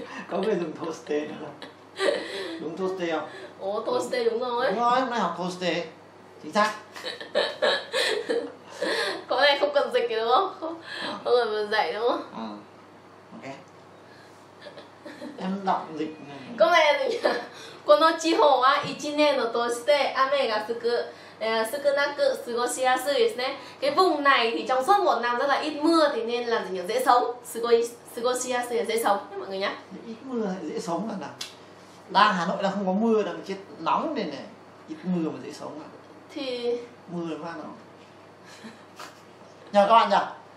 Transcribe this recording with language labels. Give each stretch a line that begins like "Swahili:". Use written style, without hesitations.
Vietnamese: Có người dùng toaster nữa. Đúng toaster không? Ồ toaster đúng rồi. Đúng rồi, hôm nay học toaster. Chính xác. Có này không cần dịch đúng không? Không cần dạy đúng không? Ok. Em đọc dịch. Câu này là gì nhỉ?
Japanese: この地方は1年を通して雨が少なく過ごしやすいですね。
Vietnamese: cái vùng này thì trong suốt một năm rất là ít mưa thì nên là gì nhỉ? Dễ sống,過ごしやすい dễ sống nhé mọi người nhé. Ít mưa dễ sống là nào? Đang Hà Nội là không có mưa đâu, chết nóng nên này, ít mưa mà dễ sống à? Thì mưa là mát không? Nhờ các bạn nhờ.